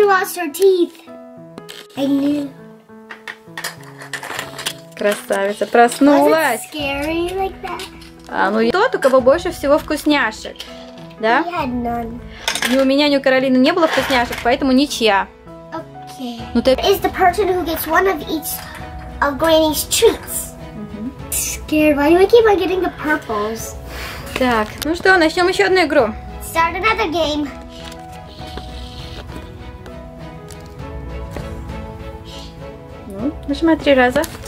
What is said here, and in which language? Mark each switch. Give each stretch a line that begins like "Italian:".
English: She lost her teeth. I knew.
Russian: Красавица, проснулась.
English: Was it scary like that?
Russian: А, ну, тот, у кого больше всего вкусняшек. Да?
English: We had none.
Russian: Ни у меня, ни у Каролины не было вкусняшек, поэтому ничья. Okay. Ну, ты...
English: It's the person who gets one of each of Granny's treats. Scared. Why do I keep on getting the purples?
Russian: Так, ну что, начнем еще одну игру.
English: Start another game.
Russian: Ну, нажимай три раза.